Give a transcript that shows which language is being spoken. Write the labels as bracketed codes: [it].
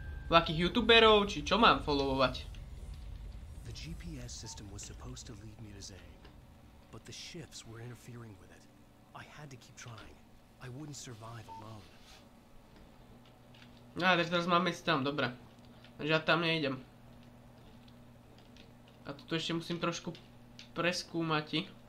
[sk] Vlakých youtuberov, či čo mám followovať? [en] The GPS system was supposed to lead me to Zay. But the shifts were interfering with it. I had to keep trying. I wouldn't survive alone. [sk] No, takže teraz mám ísť tam, dobre. Takže ja tam nejdem. A toto ešte musím trošku preskúmať.